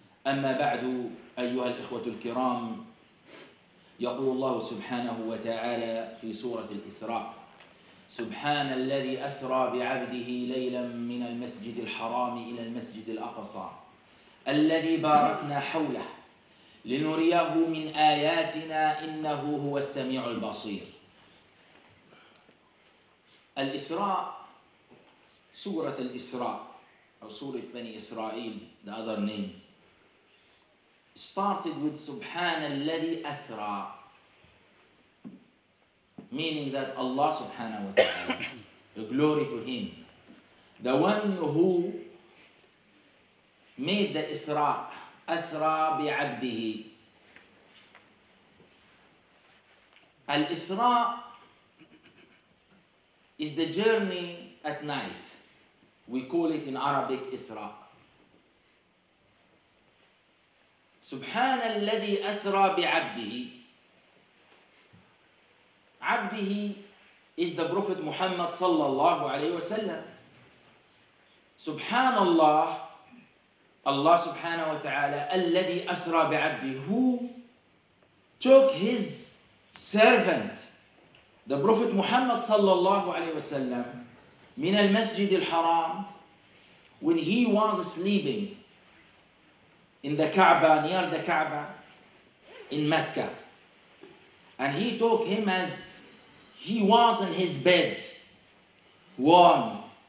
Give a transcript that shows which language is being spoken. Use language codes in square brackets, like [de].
[ar] أما بعد، أيها الإخوة الكرام، يقول الله سبحانه وتعالى في سورة الإسراء: سبحان الذي أسرى بعبده ليلا من المسجد الحرام إلى المسجد الأقصى الذي باركنا حوله لنريه من آياتنا إنه هو السميع البصير. الإسراء، سورة الإسراء أو سورة بني إسرائيل، [en] the other name started with [ar] سبحان الذي أسرى، [en] meaning that Allah subhanahu wa ta'ala, glory to him, the one who made the Isra, Asra bi'abdihi. Al-Isra is the journey at night. We call it in Arabic Isra. [ar] Subhana الذي أسرى بعبده. [en] عبده is the Prophet Muhammad صلى الله عليه وسلم. [ar] سبحان الله، الله سبحانه وتعالى، الذي أسرى بعبده، [en] who took his servant the Prophet Muhammad صلى الله عليه وسلم [ar] من المسجد الحرام [en] when he was sleeping in the Kaaba, near the Kaaba in Mecca, and he took him as he was in his bed, warm.